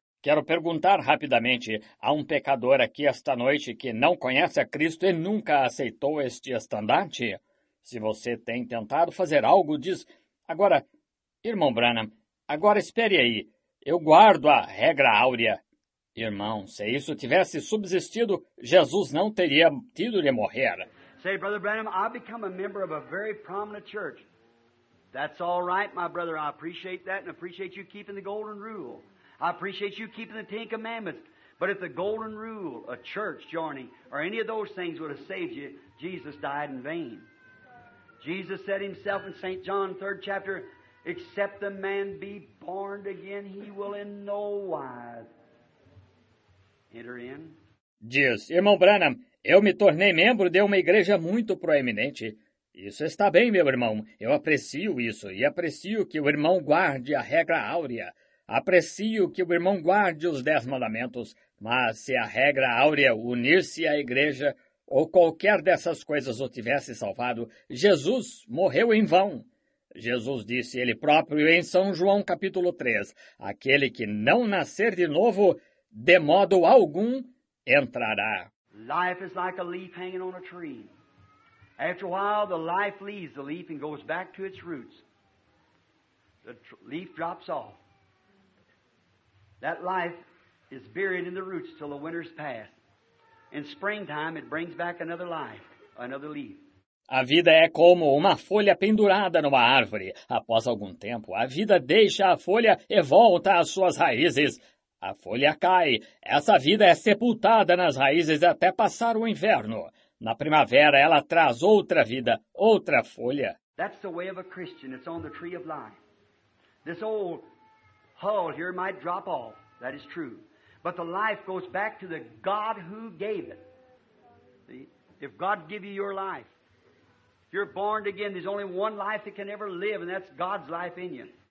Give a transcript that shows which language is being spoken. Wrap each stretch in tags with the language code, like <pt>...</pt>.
<pt>Quero perguntar rapidamente, há pecador aqui esta noite que não conhece a Cristo e nunca aceitou este estandarte? Se você tem tentado fazer algo, diz, agora, irmão Branham, agora espere aí, eu guardo a regra áurea. Irmão, se isso tivesse subsistido, Jesus não teria tido de morrer.</pt> <en>Say, Brother Branham, I've become a member of a very prominent church. That's all right, my brother, I appreciate that and appreciate you keeping the golden rule. I appreciate you keeping the Ten Commandments, but if the golden rule, a church joining, or any of those things would have saved you, Jesus died in vain. Jesus said himself in St. John, 3rd chapter, except the man be born again, he will in no wise enter in.</en> <pt>Diz, irmão Branham, eu me tornei membro de uma igreja muito proeminente. Isso está bem, meu irmão. Eu aprecio isso e aprecio que o irmão guarde a regra áurea. Aprecio que o irmão guarde os 10 mandamentos, mas se a regra áurea unir-se à igreja ou qualquer dessas coisas o tivesse salvado, Jesus morreu em vão. Jesus disse ele próprio em São João capítulo 3, aquele que não nascer de novo, de modo algum, entrará.</pt> <en>Life is like a leaf hanging on a tree. After a while, the life leaves the leaf and goes back to its roots. The leaf drops off. That life is buried in the roots till the winter's past. In springtime, it brings back another life, another leaf.</en> <pt>A vida é como uma folha pendurada numa árvore. Após algum tempo, a vida deixa a folha e volta às suas raízes. A folha cai. Essa vida é sepultada nas raízes até passar o inverno. Na primavera, ela traz outra vida, outra folha.</pt> <en>That's the way of a Christian. It's on the tree of life. This old hull here might drop off, that is true, but the life goes back to the God who gave it. See? If God give you your life, if you're born again, there's only one life that can ever live, and that's God's life in you.</en>